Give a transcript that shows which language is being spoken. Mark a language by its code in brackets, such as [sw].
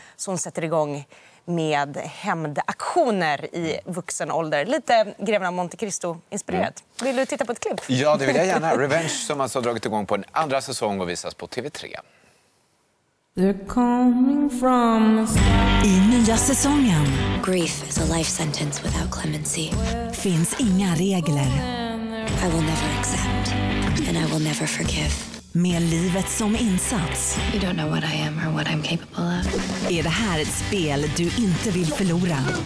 [sv] Så hon sätter igång med hämndaktioner i vuxen ålder. Lite Greven av Monte Cristo-inspirerat. Mm. Vill du titta på ett klipp? Ja, det vill jag gärna. Revenge som alltså har dragit igång på en andra säsong och visas på TV3. [en] They're coming from the sky. [sv] I nya säsongen. [en] Grief is a life sentence without clemency. [sv] Finns inga regler. [en] I will never accept and I will never forgive. [sv] Med livet som insats. [en] You don't know what I am or what I'm capable of. [sv] Är det här ett spel du inte vill förlora?